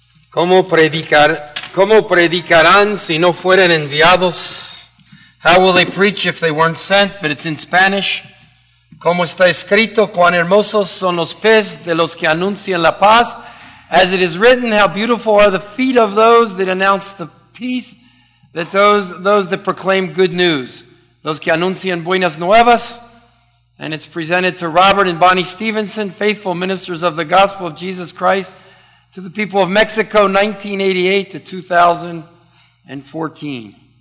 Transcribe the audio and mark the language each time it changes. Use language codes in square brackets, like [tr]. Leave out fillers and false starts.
[es] ¿Cómo predicarán si no fueren enviados? [en] How will they preach if they weren't sent? But it's in Spanish. [es] ¿Cómo está escrito? ¿Cuán hermosos son los pies de los que anuncian la paz? [en] As it is written, how beautiful are the feet of those that announce the peace, that those that proclaim good news, [es] los que anuncian buenas nuevas. [en] And it's presented to Robert and Bonnie Stevenson, faithful ministers of the gospel of Jesus Christ, to the people of Mexico, 1988 to 2014.